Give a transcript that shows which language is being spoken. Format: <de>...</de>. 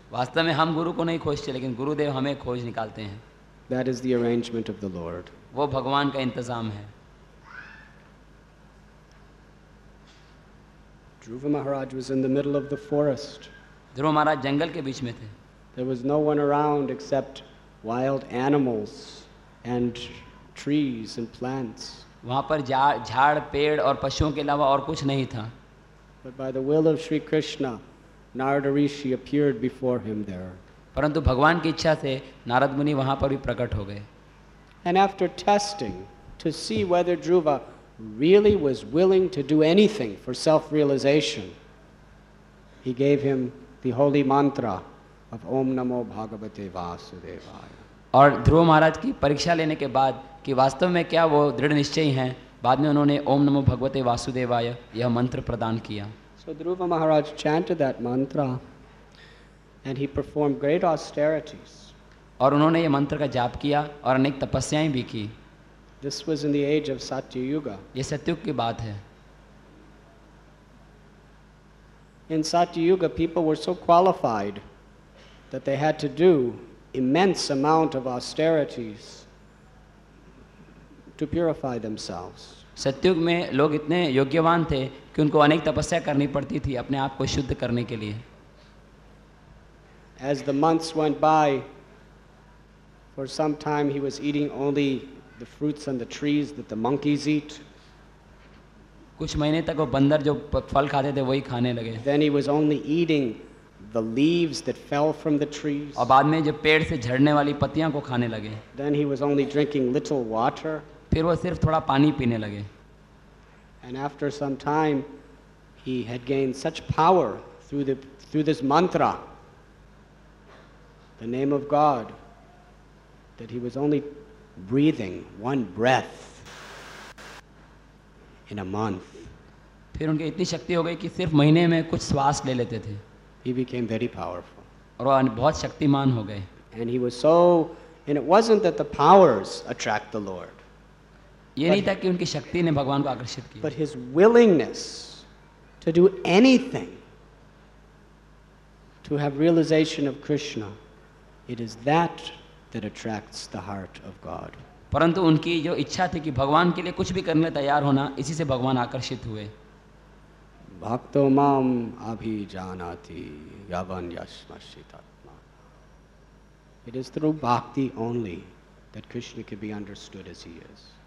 <hi>वास्तव में हम गुरु को नहीं खोजते लेकिन गुरुदेव हमें खोज निकालते हैं।</hi> <en>That is the arrangement of the Lord.</en> <hi>वो भगवान का इंतजाम है।</hi> <en>Dhruva Maharaj was in the middle of the forest.</en> <hi>ध्रुव महाराज जंगल के बीच में थे।</hi> <en>There was no one around except wild animals and trees and plants.</en> <hi>वहां पर झाड़ पेड़ और पशुओं के अलावा और कुछ नहीं था।</hi> <en>But by the will of Sri Krishna, Narada Rishi appeared before him there.</en> <hi>परंतु भगवान की इच्छा से नारद मुनि वहां पर भी प्रकट हो गए।</hi> <en>And after testing to see whether Dhruva really was willing to do anything for self-realization, he gave him the holy mantra of Om Namo Bhagavate Vasudevaya.</en> <hi>और ध्रुव महाराज की परीक्षा लेने के बाद कि वास्तव में क्या वो दृढ़ निश्चयी हैं, बाद में उन्होंने ओम नमो भगवते वासुदेवाय यह मंत्र प्रदान किया।</hi> <en>So Dhruva Maharaj chanted that mantra and he performed great austerities.</en> <hi>और उन्होंने यह मंत्र का जाप किया और अनेक तपस्याएं भी की।</hi> <en>This was in the age of Satyayuga.</en> <hi>यह सत्ययुग की बात है।</hi> <en>In Satyayuga people were so qualified that they had to do immense amount of austerities to purify themselves.</en> <hi>सत्युग में लोग इतने योग्यवान थे कि उनको अनेक तपस्या करनी पड़ती थी अपने आप को शुद्ध करने के लिए।</hi> <en>As the months went by, for some time he was eating only the fruits and the trees that the monkeys eat.</en> <hi>कुछ महीने तक वो बंदर जो फल खाते थे वही खाने लगे.</hi> <en>Then he was only eating the leaves that fell from the trees.</en> <hi>और बाद में जो पेड़ से झड़ने वाली पत्तियां को खाने लगे.</hi> <en>Then he was only drinking little water.</en> <hi>फिर वो सिर्फ थोड़ा पानी पीने लगे.</hi> <en>And after some time, he had gained such power through this mantra, the name of God, that he was only breathing one breath. In a month,</en> <hi>फिर उनके इतनी शक्ति हो गई कि सिर्फ महीने में कुछ श्वास ले लेते थे.</hi> <en>He became very powerful.</en> <hi>और वह बहुत शक्तिमान हो गए.</hi> <en>And he was so, and it wasn't that the powers attract the Lord.</en> <hi>ये नहीं था कि उनकी शक्ति ने भगवान को आकर्षित किया.</hi> <en>But his willingness to do anything to have realization of Krishna, it is that that attracts the heart of God.</en> <hi>परंतु उनकी जो इच्छा थी कि भगवान के लिए कुछ भी करने तैयार होना, इसी से भगवान आकर्षित हुए.</hi> <sa>भक्तो माम अभी जानाति यावन यस्मशितात्मा.</sa> <en>It is through bhakti only that Krishna can be understood as he is.</en>